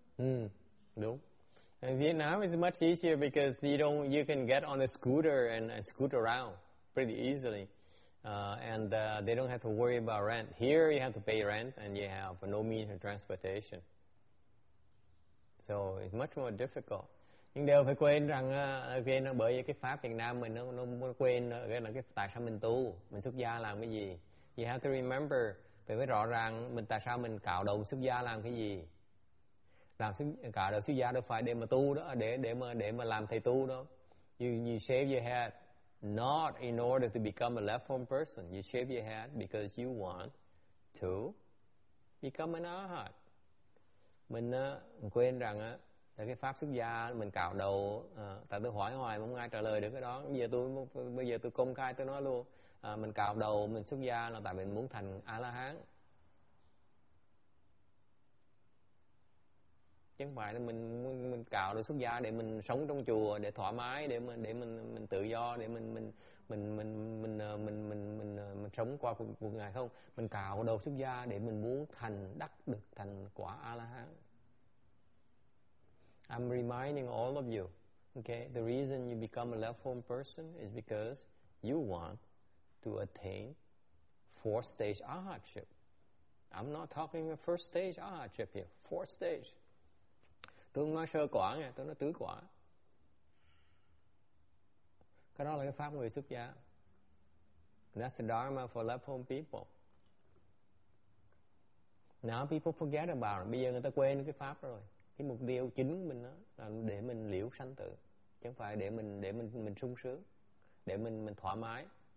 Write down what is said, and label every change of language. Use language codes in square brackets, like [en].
[en] And Vietnam is much easier because you can get on a scooter and scoot around pretty easily, and they don't have to worry about rent. Here you have to pay rent and you have no means of transportation, so it's much more difficult. [vi] Nhưng đều phải quên rằng bởi vì cái pháp Việt Nam mình nó quên là cái tại sao mình tu, mình xuất gia làm cái gì. [en] You have to remember. [vi] Phải biết rõ ràng mình tại sao mình cạo đầu xuất gia làm cái gì. Làm cạo đầu xuất gia đâu phải để mà tu đó, để mà làm thầy tu đó. [en] You shave your head not in order to become a left-hand person. You shave your head because you want to become an arhat. [vi] Mình quên rằng là cái pháp xuất gia mình cạo đầu, tại tôi hỏi hoài mà không ai trả lời được cái đó. Bây giờ tôi công khai tôi nói luôn. Mình cạo đầu, mình xuất gia là tại mình muốn thành A-la-hán. Chứ không phải là mình cạo đầu xuất gia để mình sống trong chùa, để thoải mái, để mình tự do, để mình sống qua cuộc ngày không. Mình cạo đầu xuất gia để mình muốn thành quả A-la-hán. [en] I'm reminding all of you, okay, the reason you become a left-home person is because you want to attain fourth stage arhatship. I'm not talking about first stage arhatship here. Fourth stage. [vi] Tôi không nói sơ quả nghe, tôi nói tứ quả. Cái đó là cái pháp người xuất gia. [en] That's the dharma for left home people. Now people forget about it. [vi] Bây giờ người ta quên cái pháp rồi. Cái mục tiêu chính của mình đó là để mình liễu sanh tử, chứ không phải để mình sung sướng, để mình thoải mái.